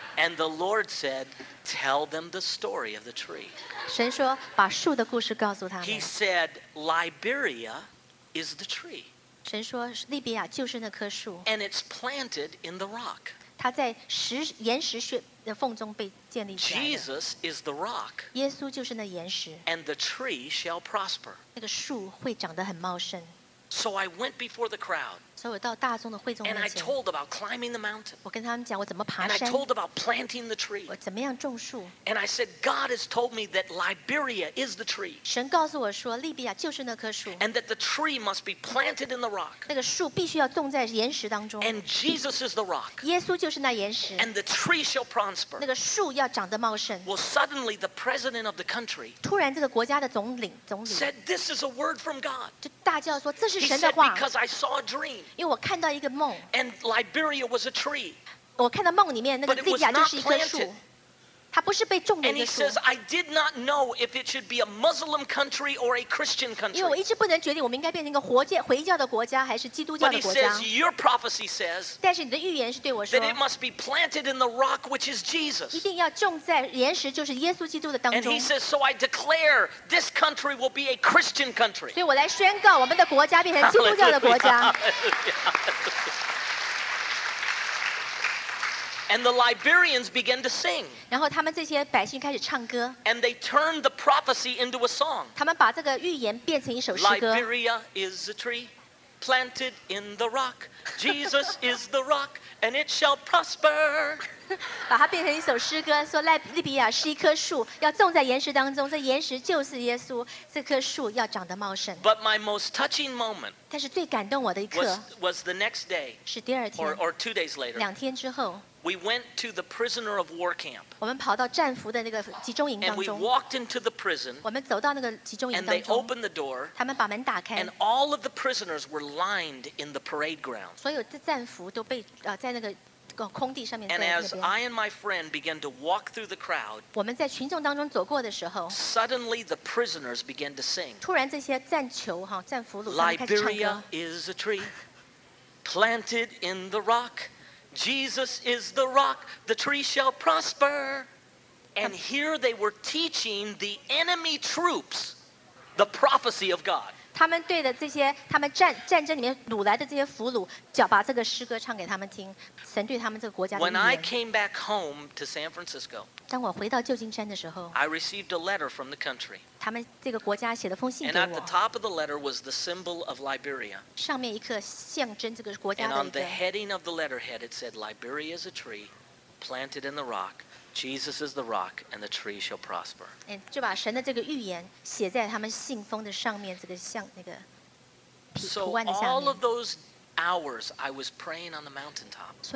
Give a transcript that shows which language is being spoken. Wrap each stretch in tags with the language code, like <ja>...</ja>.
<en>And the Lord said, "Tell them the story of the tree."</en> <zh>神说把树的故事告诉他们。</zh> <en>He said, "Liberia is the tree."</en> <zh>神说利比亚就是那棵树。</zh> <en>And it's planted in the rock.</en> <zh>它在岩石穴的缝中被建立起来的。</zh> <en>Jesus is the rock.</en> <zh>耶稣就是那岩石。</zh> <en>And the tree shall prosper.</en> <zh>那个树会长得很茂盛。</zh> <en>So I went before the crowd.</en> <zh>所以我到大众的会众面前。</zh> <en>And I told about climbing the mountain.</en> <zh>我跟他们讲我怎么爬山。</zh> <en>And I told about planting the tree.</en> <zh>我怎么样种树。</zh> <en>And I said God has told me that Liberia is the tree.</en> <zh>神告诉我说利比亚就是那棵树。</zh> <en>And that the tree must be planted in the rock.</en> <zh>那个树必须要种在岩石当中。</zh> <en>And Jesus is the rock.</en> <zh>耶稣就是那岩石。</zh> <en>And the tree shall prosper.</en> <zh>那个树要长得茂盛。</zh> <en>Well, suddenly the president of the country.</en> <zh>突然这个国家的总理。</zh> <en>Said this is a word from God.</en> <zh>就大叫说这是。</zh> <en>He said, "Because I saw a dream."</en> <zh>因为我看到一个梦。</zh> <en>And Liberia was a tree.</en> <zh>我看到梦里面那个利比亚就是一棵树。它不是被种的一棵树。</zh> <en>And he says, "I did not know if it should be a Muslim country or a Christian country."</en> <zh>因为我一直不能决定我们应该变成一个回教的国家还是基督教的国家。</zh> <en>But he says, "Your prophecy says."</en> <zh>但是你的预言是对我说。</zh> <en>That it must be planted in the rock which is Jesus.</en> <zh>一定要种在岩石就是耶稣基督的当中。</zh> <en>And he says, "So I declare this country will be a Christian country."</en> <zh>所以我来宣告我们的国家变成基督教的国家。</zh> <en>And the Liberians began to sing.</en> <zh>然后他们这些百姓开始唱歌。</zh> <en>And they turned the prophecy into a song.</en> <zh>他们把这个预言变成一首诗歌。</zh> <en>Liberia is a tree planted in the rock. Jesus is the rock, and it shall prosper.</en> <zh>把它变成一首诗歌，说利比亚是一棵树，要种在岩石当中。这岩石就是耶稣，这棵树要长得茂盛。</zh> <en>But my most touching moment.</en> <zh>但是最感动我的一刻</zh> <en>was the next day.</en> <zh>是第二天。</zh> <en>Or 2 days later.</en> <zh>两天之后。</zh> <en>We went to the prisoner of war camp.</en> <zh>我们跑到战俘的那个集中营当中。</zh> <en>And we walked into the prison.</en> <zh>我们走到那个集中营当中。</zh> <en>And they opened the door.</en> <zh>他们把门打开。</zh> <en>And all of the prisoners were lined in the parade ground.</en> <zh>所有的战俘都被在那个空地上面。</zh> <en>And as I and my friend began to walk through the crowd,</en> <zh>我们在群众当中走过的时候</zh> <en>，suddenly the prisoners began to sing.</en> <zh>突然这些战囚哈战俘虏</zh> <en>，Liberia is a tree planted in the rock. Jesus is the rock, the tree shall prosper. And here they were teaching the enemy troops the prophecy of God.</en> <zh>他们对着这些他们战争里面掳来的这些俘虏，就把这个诗歌唱给他们听。神对他们这个国家的预言。</zh> <en>When I came back home to San Francisco,</en> <zh>当我回到旧金山的时候</zh> <en>，I received a letter from the country.</en> <zh>他们这个国家写了封信给我。</zh> <en>And at the top of the letter was the symbol of Liberia.</en> <zh>上面一颗象征这个国家的一个。</zh> <en>And on the heading of the letterhead, it said, "Liberia is a tree planted in the rock." Jesus is the rock, and the tree shall prosper.</en> <zh>就把神的这个预言写在他们信封的上面，这个像那个图案的下面。</zh> <en>So all of those hours I was praying on the mountaintop.</en>